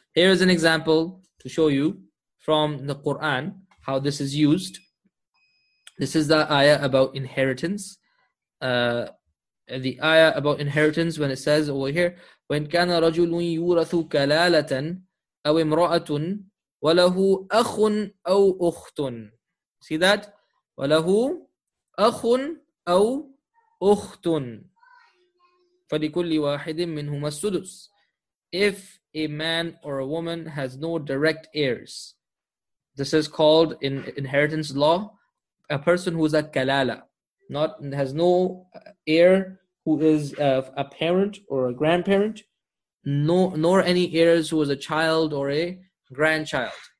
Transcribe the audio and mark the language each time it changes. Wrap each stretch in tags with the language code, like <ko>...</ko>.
<en>Here is an example to show you from the Quran how this is used. This is the ayah about inheritance. the ayah about inheritance when it says over here, when</en> <ar>كان رجل يورث كلالة أو امرأة وله أخ أو أخت.</ar> <en>See that?</en> <ar>وله أخ أو أخت فلكل واحد منهما السدس.</ar> <en>If a man or a woman has no direct heirs, this is called in inheritance law, a person who is a kalala, not has no heir who is a parent or a grandparent, nor any heirs who is a child or a grandchild.</en>